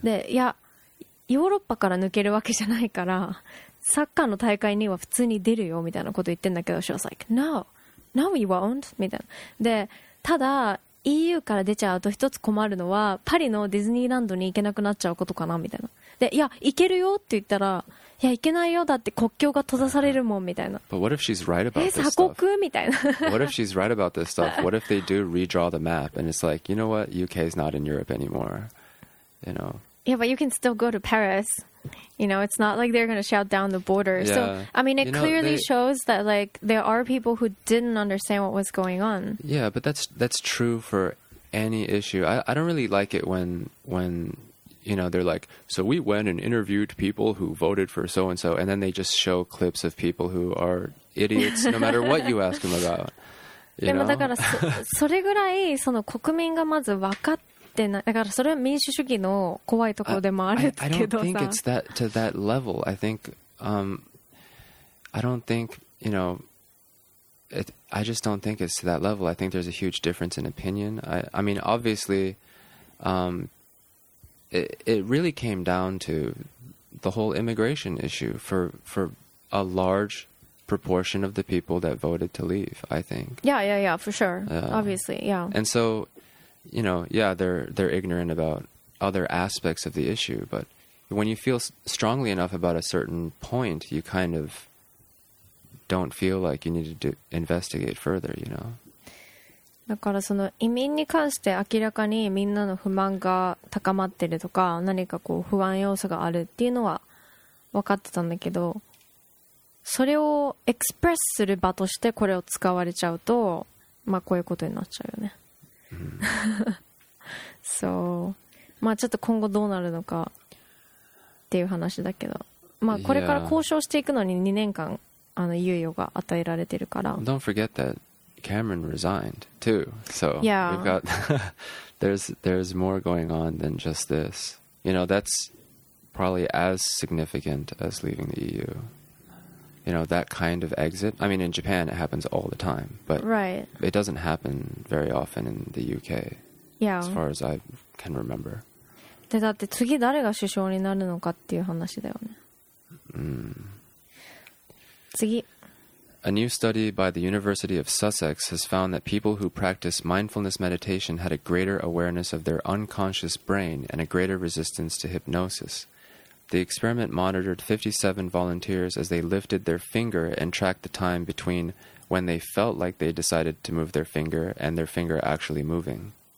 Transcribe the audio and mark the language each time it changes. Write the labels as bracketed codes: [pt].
[ja] で、いやヨーロッパから抜けるわけじゃないからサッカーの大会には普通に出るよみたいなこと言ってんだけど、 [en] she was like no no we won't [ja] みたいな。でただEU から出ちゃうと一つ困るのはパリのディズニーランドに行けなくなっちゃうことかなみたいな。で、いや行けるよって言ったら、いや行けないよ、だって国境が閉ざされるもんみたいな。 [en] But what if she's right about this stuff? [ja] 鎖国みたいな。 [en] What if she's right about this stuff? What if they do redraw the map and it's like, you know what? UK is not in Europe anymore. You know. Yeah, but you can still go to Paris. You know, it's not like they're going to shut down the border. Yeah. So, I mean, it you clearly know, they, shows that like there are people who didn't understand what was going on. Yeah, but that's true for any issue. I don't really like it when you know, they're like, so we went and interviewed people who voted for so-and-so, and then they just show clips of people who are idiots no matter what you ask them about. You know? [ja] だからそれぐらいその国民がまず分かってだからそれは民主主義の怖いところでもあるけどさ。 [en] I don't think it's that to that level. I think, I don't think, you know, it, I just don't think it's to that level. I think there's a huge difference in opinion. I mean, obviously, it really came down to the whole immigration issue for a large proportion of the people that voted to leave, I think. Yeah, for sure. Obviously, yeah. And so... You know, yeah, they're ignorant about other aspects of the issue, but when you feel strongly enough about a certain point, you kind of don't feel like you need to investigate further, you know? [ja] だからその移民に関して明らかにみんなの不満が高まってるとか、何かこう不安要素があるっていうのは分かってたんだけど、それをエクスプレスする場としてこれを使われちゃうと、まあこういうことになっちゃうよね。そう、まあちょっと今後どうなるのかっていう話だけど、まあこれから交渉していくのに2年間あの猶予が与えられてるから。 [en] Don't forget that Cameron resigned too. So yeah, we've got there's more going on than just this. You know, that's probably as significant as leaving the EU. You know, that kind of exit. I mean, in Japan, it happens all the time. But right. it doesn't happen very often in the UK. Yeah. As far as I can remember. [ja] で、だって次誰が首相になるのかっていう話だよね。次。 [en] A new study by the University of Sussex has found that people who practice mindfulness meditation had a greater awareness of their unconscious brain and a greater resistance to hypnosis. The experiment monitored 57 volunteers as they lifted their finger and tracked the time between when they felt like they decided to move their finger and their finger actually moving.